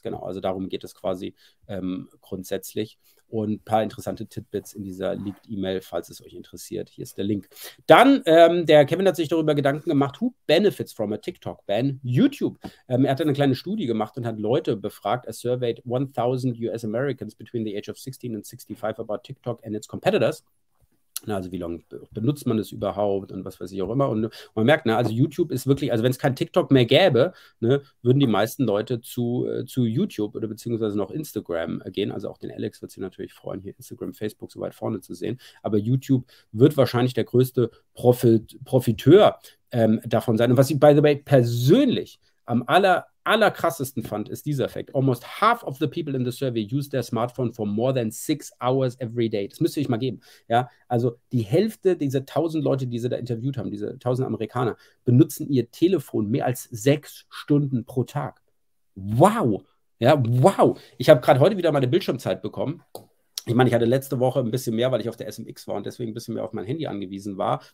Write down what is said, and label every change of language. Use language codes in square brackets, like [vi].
[de] Genau, also darum geht es quasi grundsätzlich. Und ein paar interessante Tidbits in dieser Leaked-E-Mail, falls es euch interessiert. Hier ist der Link. Dann, der Kevin hat sich darüber Gedanken gemacht, [en] who benefits from a TikTok-Ban? [de] YouTube. Er hat eine kleine Studie gemacht und hat Leute befragt. [en] Er surveyed 1,000 US-Americans between the age of 16 and 65 about TikTok and its competitors. [de] Also wie lange benutzt man es überhaupt und was weiß ich auch immer. Und man merkt, ne, also YouTube ist wirklich, also wenn es kein TikTok mehr gäbe, ne, würden die meisten Leute zu YouTube oder beziehungsweise noch Instagram gehen. Also auch den Alex wird sich natürlich freuen, hier Instagram, Facebook so weit vorne zu sehen. Aber YouTube wird wahrscheinlich der größte Profiteur davon sein. Und was ich, [en] by the way, [de] persönlich am aller krassesten fand, ist dieser Fact. [en] Almost half of the people in the survey use their smartphone for more than 6 hours every day. [de] Das müsste ich mal geben. Ja, also die Hälfte dieser 1,000 Leute, die sie da interviewt haben, diese 1,000 Amerikaner, benutzen ihr Telefon mehr als 6 Stunden pro Tag. Wow. Ja, wow. Ich habe gerade heute wieder meine Bildschirmzeit bekommen. Ich meine, ich hatte letzte Woche ein bisschen mehr, weil ich auf der SMX war und deswegen ein bisschen mehr auf mein Handy angewiesen war.